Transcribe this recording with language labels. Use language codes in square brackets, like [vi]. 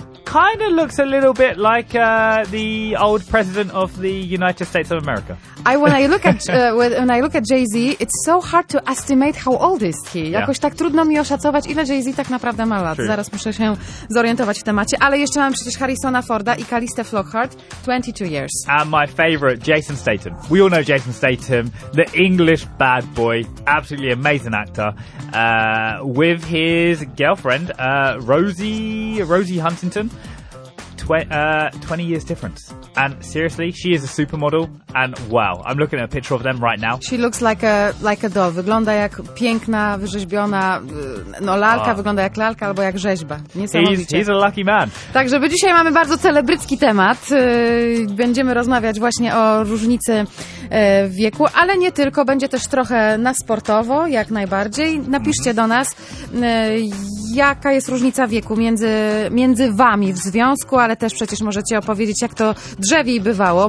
[en] kind of looks a little bit like the old president of the United States of America. When I look at Jay-Z, it's so hard to estimate how old is he. [pl] Jakoś tak trudno mi oszacować, ile Jay-Z tak naprawdę ma lat. True. Zaraz muszę się zorientować w temacie. Ale jeszcze mam przecież Harrisona Forda i Calliste Flockhart, [en] 22 years. And my favorite, Jason Statham. We all know Jason Statham, the English bad boy, absolutely amazing actor, with his girlfriend, Rosie Huntington. 20 years difference. And seriously, she is a supermodel. And wow, I'm looking at a picture of them right now. She looks like a doll. [pl] Wygląda jak piękna, wyrzeźbiona, no lalka, wygląda jak lalka albo jak rzeźba. Niesamowicie. [en] He's a lucky man. [pl] Także my dzisiaj mamy bardzo celebrycki temat. Będziemy rozmawiać właśnie o różnicy wieku, ale nie tylko. Będzie też trochę na sportowo, jak najbardziej. Napiszcie do nas, jaka jest różnica wieku między wami w związku, ale też przecież możecie opowiedzieć, jak to drzewiej bywało.